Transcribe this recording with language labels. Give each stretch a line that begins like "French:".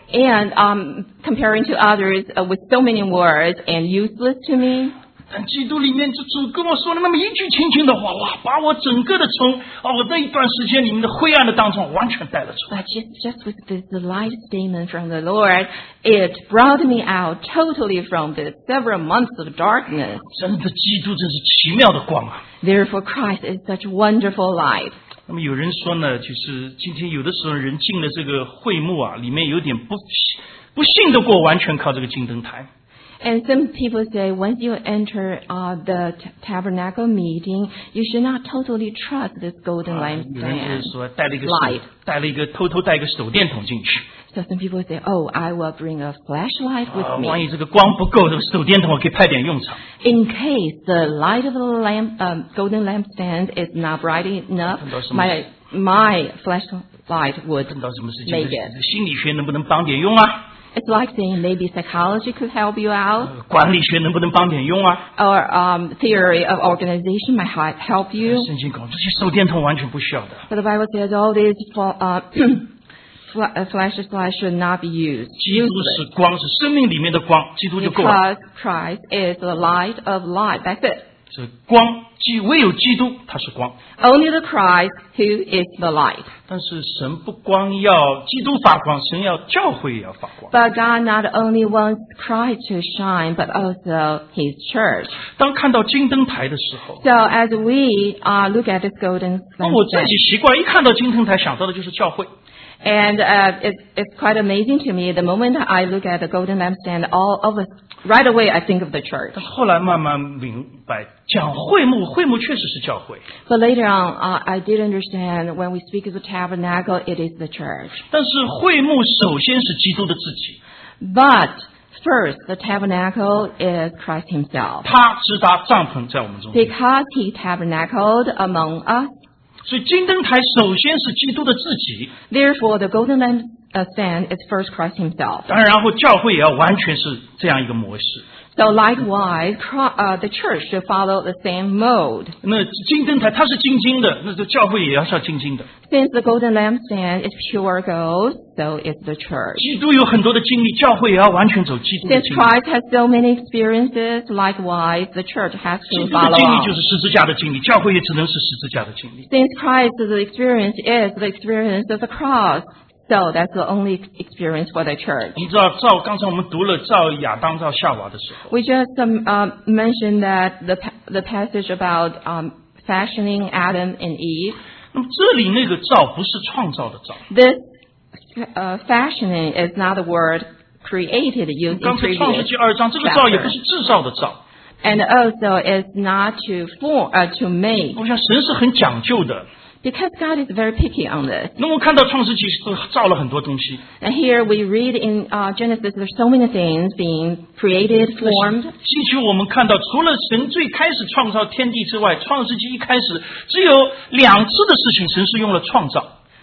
English: And comparing to others with so many words and useless to me.
Chinese: 但基督里面主跟我说了那么一句轻轻的话，哇，把我整个的从我那一段时间里面的灰暗的当中完全带了出来。
English: But just with this light statement from the Lord, it brought me out totally from the several months of darkness.
Chinese: 真的，基督真是奇妙的光啊。
English: Therefore, Christ is such wonderful light.
Chinese: 那么有人说呢，就是今天有的时候人进了这个会幕啊，里面有点不信得过，完全靠这个金灯台。
English: And some people say once you enter the tabernacle meeting, you should not totally trust this golden lamp.
Chinese: 有人就是说带了一个手电筒进去。
English: So some people say, "Oh, I will bring a flashlight with me."
Chinese: 万一这个光不够，这个手电筒我可以派点用场。
English: In case the light of the lamp, golden lampstand is not bright enough, my flashlight would make it.
Chinese: 心理学能不能帮点用啊？
English: It's like saying maybe psychology could help you out.
Chinese: 管理学能不能帮点用啊
English: ？Or theory of organization might help you.
Chinese: 圣经讲这些手电筒完全不需要的。
English: But the Bible says all these flashlights should not be used.
Chinese: 基督是光，是生命里面的光，基督就够了。
English: Because Christ is the light of life. That's it.
Chinese: 是光，唯有基督他是光。
English: Only the Christ who is the light.
Chinese: 但是神不光要基督发光，神要教会也要发光。
English: But God not only wants Christ to shine, but also His church.
Chinese: 当看到金灯台的时候
English: ，So as we look at this golden lampstand,
Chinese: 我自己习惯一看到金灯台，想到的就是教会。
English: And it's quite amazing to me. The moment I look at the golden lampstand, right away I think of the church.
Chinese: 后来慢慢明白，讲会幕，会幕确实是教会。
English: But later on, I did understand when we speak of the tabernacle, it is the church.
Chinese: 但是会幕首先是基督的自己。
English: But First, the tabernacle is Christ himself.
Chinese: 他支搭帐篷在我们中间,
English: because he tabernacled among us.
Chinese: 所以金灯台首先是基督的自己,
English: therefore, the golden lampstand is first Christ himself.
Chinese: 当然然后教会也要完全是这样一个模式。
English: So likewise, the church should follow the same mode.
Chinese: 那金灯台它是金金的, 那教会也要像金金的。
English: Since the golden lampstand is pure gold, so is the church.
Chinese: 基督有很多的经历, 教会也要完全走基督的经历。
English: Since Christ has so many experiences, likewise, the church has to follow.
Chinese: 基督的经历就是十字架的经历, 教会也只能是十字架的经历。
English: Since Christ's experience is the experience of the cross, so that's the only experience for the church.
Chinese: 你知道，刚才我们读了造亚当、造夏娃的时候。
English: We just mentioned that the passage about fashioning Adam and Eve.
Chinese: 那么这里那个造不是创造的造。
English: This fashioning is not the word created using.
Chinese: 刚才创世纪二章，这个造也不是制造的造。
English: And also, it's not to form to make.
Chinese: 我想神是很讲究的。
English: Because God is very picky on this.
Chinese: 那我看到创世纪造了很多东西。
English: And here we read in Genesis, there's so many things being created, formed.
Chinese: 星期我们看到，除了神最开始创造天地之外， 创世纪一开始只有两次的事情，神是用了创造。